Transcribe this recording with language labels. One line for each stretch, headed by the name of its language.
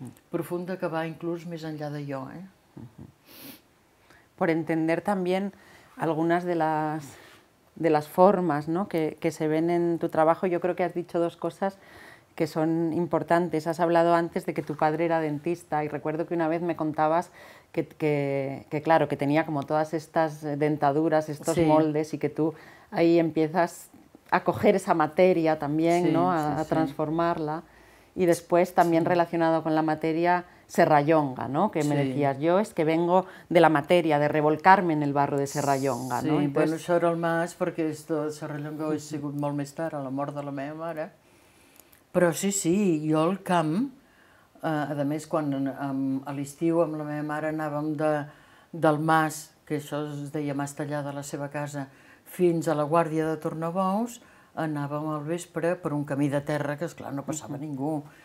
Catalan: Profunda que va inclús més enllà de jo, eh?
Spanish: Por entender también algunas de las formas, ¿no? que se ven en tu trabajo, yo creo que has dicho dos cosas que son importantes. Has hablado antes de que tu padre era dentista y recuerdo que una vez me contabas que claro, que tenía como todas estas dentaduras, estos sí, moldes, y que tú ahí empiezas a coger esa materia también, sí, ¿no? a transformarla. Y después también sí, relacionado con la materia, Serrallonga, ¿no? Que me sí, decías, yo es que vengo de la materia, de revolcarme en el barro de Serrallonga, sí, ¿no? Sí, entonces...
Catalan: bueno, això era el mas, perquè esto de Serrallonga ho he sigut molt més tard, a la mort de la meva mare. Però sí, sí, jo al camp, a més, quan a l'estiu amb la meva mare anàvem del mas, que això es deia mas tallada a la seva casa, fins a la guàrdia de Tornabous, anàvem al vespre per un camí de terra que, esclar, no passava ningú.